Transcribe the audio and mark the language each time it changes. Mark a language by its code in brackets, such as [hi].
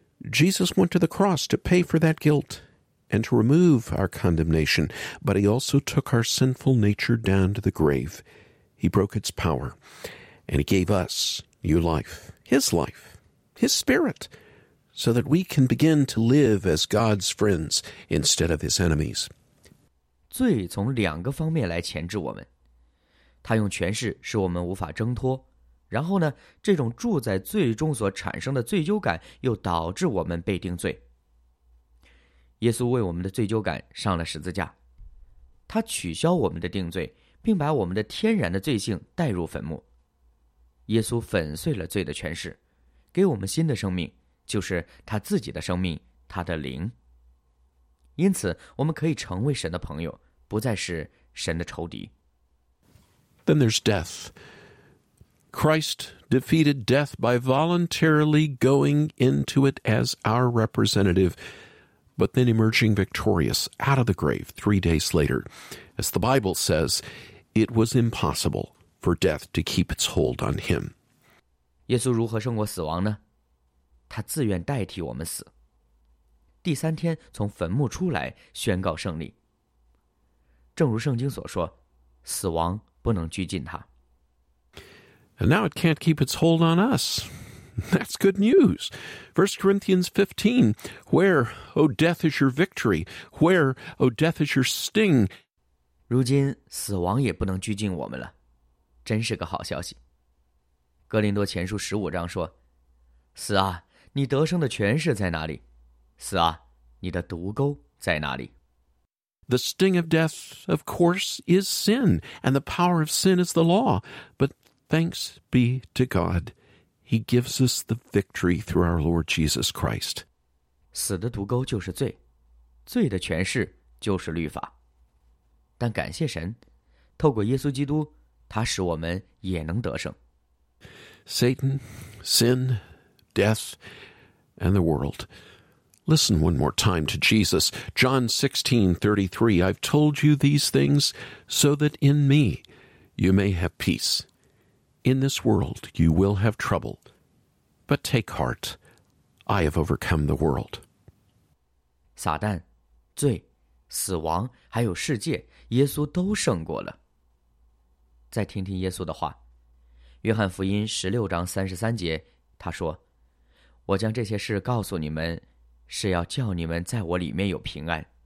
[en] Jesus went to the cross to pay for that guilt. And to remove our condemnation, but he also took our sinful nature down to the grave. He broke its power, and he gave us new life, his spirit, so that we can begin to live as God's friends instead of his enemies. [zh] 罪从两个方面来钳制我们，他用权势使我们无法挣脱，然后呢，这种住在罪中所产生的罪疚感又导致我们被定罪。耶稣为我们的罪疚感上了十字架，他取消我们的定罪，并把我们的天然的罪性带入坟墓。耶稣粉碎了罪的权势，给我们新的生命，就是他自己的生命，他的灵。因此，我们可以成为神的朋友，不再是神的仇敌。 [en] Then there's death. Christ defeated death by voluntarily going into it as our representative. But then emerging victorious out of the grave 3 days later. As the Bible says, it was impossible for death to keep its hold on him. [zh] 耶稣如何胜过死亡呢？他自愿代替我们死。第三天从坟墓出来宣告胜利。正如圣经所说，死亡不能拘禁他。 [en] And now it can't keep its hold on us. That's good news. 1 Corinthians 15, where, O death, is your victory? Where, O death, is your sting? [zh] 如今死亡也不能拘禁我们了，真是个好消息。哥林多前书15章说，死啊，你得胜的权势在哪里？死啊，你的毒钩在哪里？ [en] The sting of death, of course, is sin, and the power of sin is the law. But thanks be to God. He gives us the victory through our Lord Jesus Christ. 死的毒钩就是罪，罪的权势就是律法。但感谢神，透过耶稣基督，他使我们也能得胜。 Satan, sin, death, and the world. Listen one more time to Jesus. John 16:33, I've told you these things so that in me you may have peace. In this world, you will have trouble, but take heart. I have overcome the world. [zh] 撒旦、罪、死亡，还有世界，耶稣都胜过了。再听听耶稣的话，约翰福音16:33，他说：“我将这些事告诉你们，是要叫你们在我里面有平安。